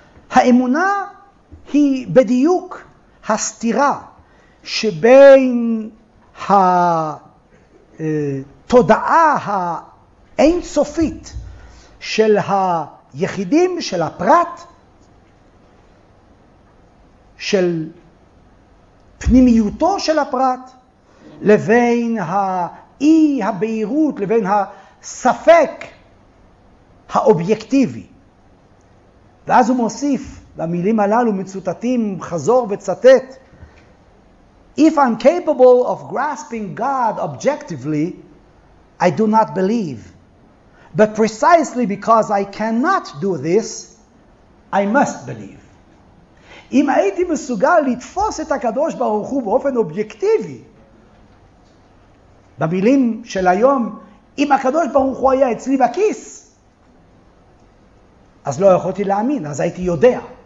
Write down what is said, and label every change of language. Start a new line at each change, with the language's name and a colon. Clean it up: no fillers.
Hebrew: האמונה היא בדיוק הסתירה שבין התודעה האינסופית של היחידים, של הפרט, של פנימיותו של הפרט, לבין האי הבהירות, לבין הספק האובייקטיבי. ואז הוא מוסיף, והמילים הללו מצוטטים חזור וצטט:
English: If I'm capable of grasping God objectively, I do not believe. But precisely because I cannot do this, I must believe.
Hebrew: אם הייתי מסוגל לתפוס את הקדוש ברוך הוא באופן אובייקטיבי, במילים של היום, אם הקדוש ברוך הוא היה אצלי בכיס, אז לא יכולתי להאמין, אז הייתי יודע.